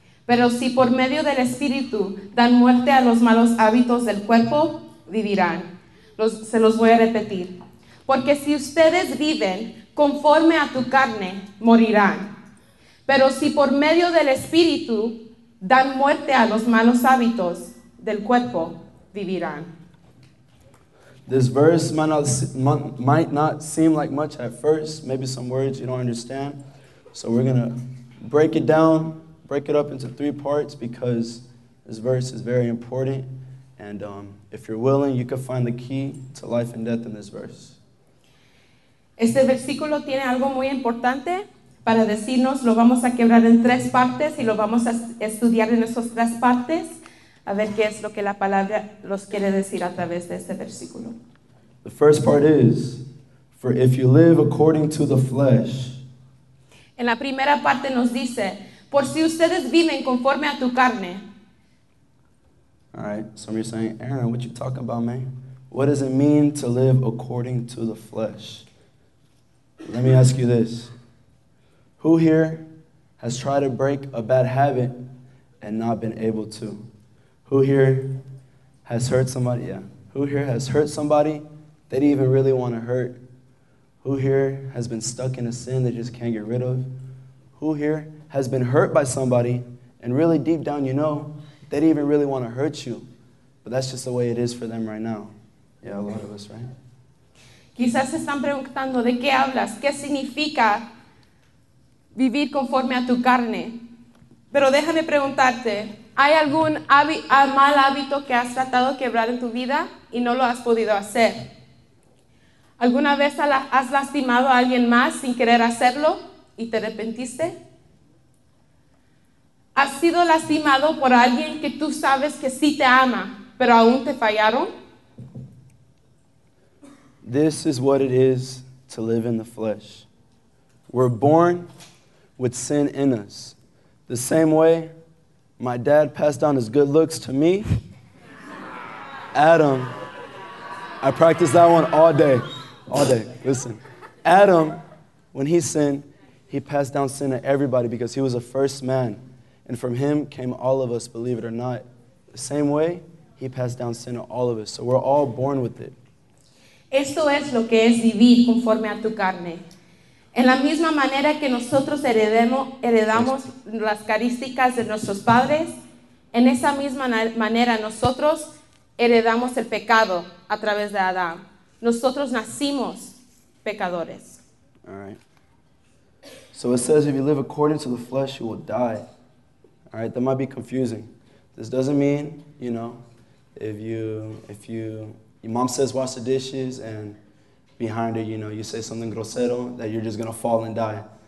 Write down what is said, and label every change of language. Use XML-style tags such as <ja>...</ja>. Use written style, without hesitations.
<es>Pero si por medio del Espíritu dan muerte a los malos hábitos del cuerpo, vivirán. Se los voy a repetir. Porque si ustedes viven conforme a tu carne, morirán. Pero si por medio del Espíritu dan muerte a los malos hábitos del cuerpo, vivirán.</es> <en>This verse might not seem like much at first. Maybe some words you don't understand. So we're going to break it down, break it up into three parts because this verse is very important. And if you're willing, you can find the key to life and death in this verse.</en> <es>Este versículo tiene algo muy importante para decirnos. Lo vamos a quebrar en tres partes y lo vamos a estudiar en esas tres partes. A ver qué es lo que la palabra los quiere decir a través de este versículo.</es> <en>The first part is, for if you live according to the flesh.</en> <es>En la primera parte nos dice, por si ustedes viven conforme a tu carne.</es> <en>All right, some of you are saying, Aaron, what you talking about, man? What does it mean to live according to the flesh? Let me ask you this. Who here has tried to break a bad habit and not been able to? Who here has hurt somebody? Yeah. Who here has hurt somebody they didn't even really want to hurt? Who here has been stuck in a sin they just can't get rid of? Who here has been hurt by somebody and really deep down you know they didn't even really want to hurt you? But that's just the way it is for them right now. Yeah, a lot of us, right?</en> <es>Quizás están preguntando, ¿de qué hablas? ¿Qué significa vivir conforme a tu carne? Pero déjame preguntarte, ¿hay algún mal hábito que has tratado de quebrar en tu vida y no lo has podido hacer? ¿Alguna vez has lastimado a alguien más sin querer hacerlo y te arrepentiste? ¿Has sido lastimado por alguien que tú sabes que sí te ama, pero aún te fallaron?</es> <en>This is what it is to live in the flesh. We're born with sin in us. The same way my dad passed down his good looks to me, Adam, I practiced that one all day. Listen, Adam, when he sinned, he passed down sin to everybody because he was the first man. And from him came all of us, believe it or not. The same way, he passed down sin to all of us. So we're all born with it.</en> <es>Esto es lo que es vivir conforme a tu carne. En la misma manera que nosotros heredamos las características de nuestros padres, en esa misma manera nosotros heredamos el pecado a través de Adán. Nosotros nacimos pecadores.</es> <en>All right. So it says if you live according to the flesh, you will die. All right, that might be confusing. This doesn't mean, you know, if you your mom says wash the dishes and behind it, you know, you say something grosero, that you're just going to fall and die.</en>